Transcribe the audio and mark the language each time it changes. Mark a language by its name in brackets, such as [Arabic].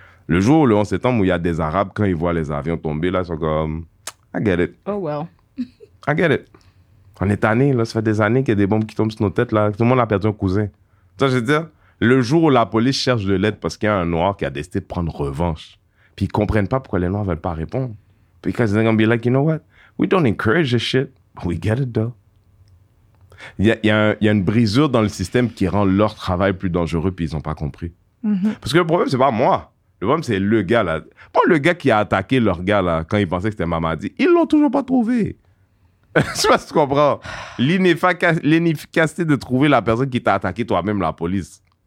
[French] Le jour où le 11 septembre, où il y a des Arabes, quand ils voient les avions tomber, là, ils sont comme, [English] I get it. Oh, well. I get it. [French] On est tannés, là. Ça fait des années qu'il y a des bombes qui tombent sur nos têtes, là. Tout le monde a perdu un cousin. Tu vois, je veux dire. Le jour où la police cherche de l'aide parce qu'il y a un noir qui a décidé de prendre revanche, puis ils comprennent pas pourquoi les noirs veulent pas répondre. Puis ils vont [English] be like, you know what? We don't encourage this shit, but we get it though. [French] Il y a une brisure dans le système qui rend leur travail plus dangereux, puis ils ont pas compris. Mm-hmm. Parce que le problème, c'est pas moi. Le problème, c'est le gars là. Bon, le gars qui a attaqué leur gars là, quand ils pensaient que c'était Mamadi, ils l'ont toujours pas trouvé. Je sais pas si tu comprends. L'inefficacité de trouver la personne qui t'a attaqué toi-même, la police.